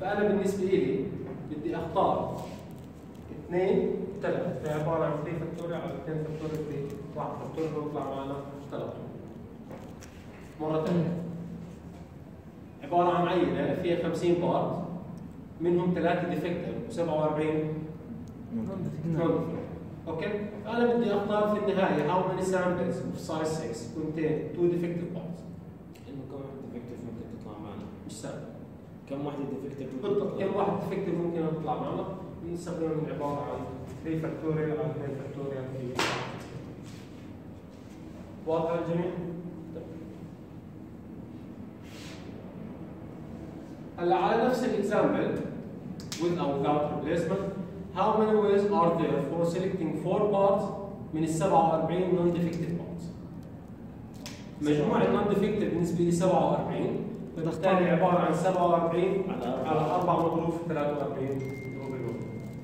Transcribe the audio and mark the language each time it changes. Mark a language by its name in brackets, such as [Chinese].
[Arabic] فأنا بالنسبة لي بدي اختار 2 ثلاثة، هي عبارة عن 3 فاكتوريال على 2 فاكتوريال في 1 فاكتوريال بيطلع معنا 3. مرة ثانية عبارة عن عينة فيها 50 بارت منهم 3 ديفكتيف و 47 نون ديفكتيف. اوكي؟ فأنا بدي أختار في النهاية [English] how many samples of size 6 contain 2 defective parts. [Arabic] إنه كم واحد ديفكتيف ممكن تطلع معنا؟ مش سهل. كم واحد ديفكتيف ممكن تطلع معنا؟ بالضبط، كم واحد ديفكتيف ممكن تطلع معنا؟ بنستخدم عبارة عن 3 فاكتوريال على 2 فاكتوريال في 1. واضح الجميع؟ هلا على نفس الاكزامبل [English] with or without replacement how many ways are there for selecting 4 parts [Arabic] من ال 47 [English] non defective parts؟ [Arabic] مجموع ال [English] non defective [Arabic] بالنسبة لي 47 بالتالي عبارة عن 47 على 4 مضروب في 43.